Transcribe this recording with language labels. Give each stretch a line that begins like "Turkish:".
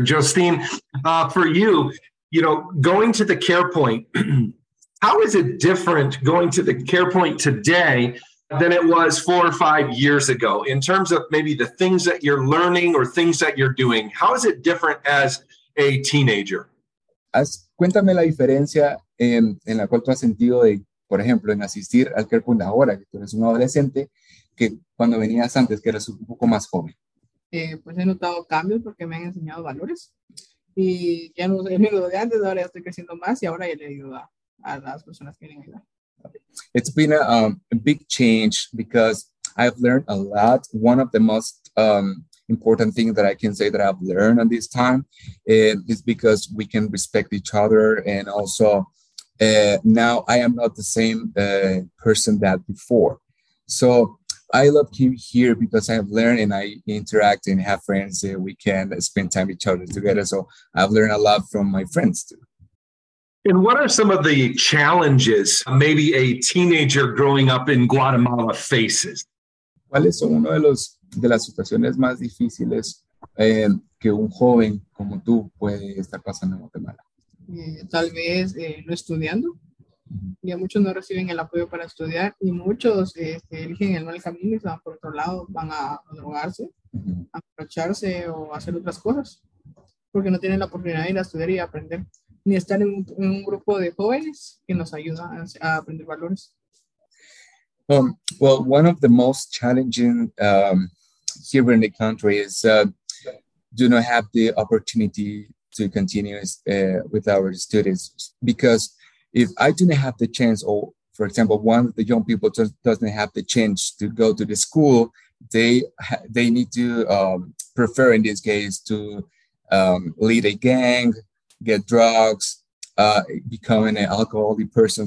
English: Josine, for you, you know, going to the care point, how is it different going to the care point today than it was 4 or 5 years ago, in terms of maybe the things that you're learning or things that you're doing? How is it different as a teenager?
Spanish: Cuéntame la diferencia en la cual tú has sentido de, por ejemplo, en asistir al care point ahora, que tú eres un adolescente, que cuando venías antes, que eras un poco más joven. Pues he notado cambios porque me han enseñado valores. Y ya no soy amigo de antes, ahora ya estoy creciendo más y ahora ya le ayudo a las personas que quieren ayudar.
English: It's been a big change because I've learned a lot. One of the most important thing that I can say that I've learned at this time is because we can respect each other, and also now I am not the same person that before. So I love being here because I have learned, and I interact and have friends, and we can spend time with each other together. So I've learned a lot from my friends too. And what are some of the challenges maybe a teenager growing up in Guatemala faces?
Spanish: ¿Cuáles son uno de las situaciones más difíciles que un joven como tú puede estar pasando en Guatemala? Tal vez no estudiando. Uh-huh. Ya muchos no reciben el apoyo para estudiar, y muchos eligen el mal camino y se van por otro lado, van a drogarse, uh-huh, a aprovecharse o hacer otras cosas, porque no tienen la oportunidad de ir a estudiar y aprender, ni estar en un grupo de jóvenes que nos ayuda a aprender valores.
English: Well, one of the most challenging here in the country is do not have the opportunity to continue with our students. Because if I do not have the chance, or for example, one of the young people doesn't have the chance to go to the school, they need to prefer, in this case, to lead a gang, get drugs, becoming an alcoholic person.